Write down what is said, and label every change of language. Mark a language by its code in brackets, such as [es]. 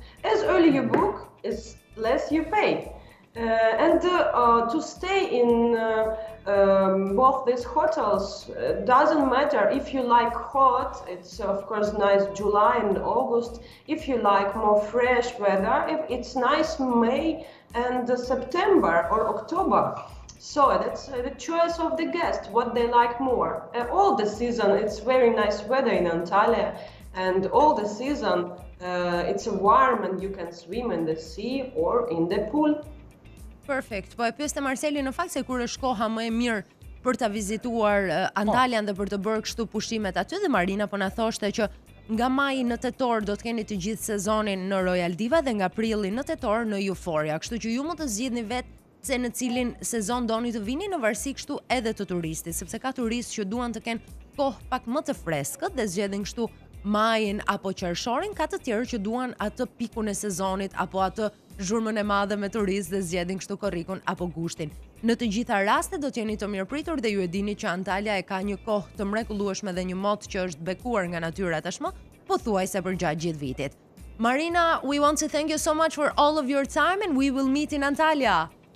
[en] As early you book, is less you pay. To stay in both these hotels doesn't matter if you like hot, it's of course nice July and August, if you like more fresh weather, if it's nice May and September or October. So that's the choice of the guest, what they like more. All the season it's very nice weather in Antalya and all the season it's warm and you can swim in the sea or in the pool. Perfect. [sq] Po e pyeste Marseli në fakt se kur është koha më e mirë për ta vizituar Antaljan dhe për të bërë kështu pushimet aty dhe Marina po na thoshte që nga maji në tetor do të keni të gjithë sezonin në Royal Diwa dhe nga prilli në tetor në Euphoria. Kështu që ju mund të zgjidhni vetë se në cilin sezon doni të vini në varsi kështu edhe të turistit, sepse ka turist që duan të kenë kohë pak më të freskët dhe zgjedhin kështu majin apo qershorin, ka të tjerë që duan atë pikun e sezonit apo atë zhurmën e madhe me turistë dhe zgjedhin kështu korrikun apo gushtin. Në të gjitha rastet do të jeni të mirëpritur dhe ju e dini që Antalya e ka një kohë të mrekullueshme dhe një mot që është bekuar nga natyra tashmë, pothuajse për gjatë gjithë vitit. [en] Marina, we want to thank you so much for all of your time and we will meet in Antalya.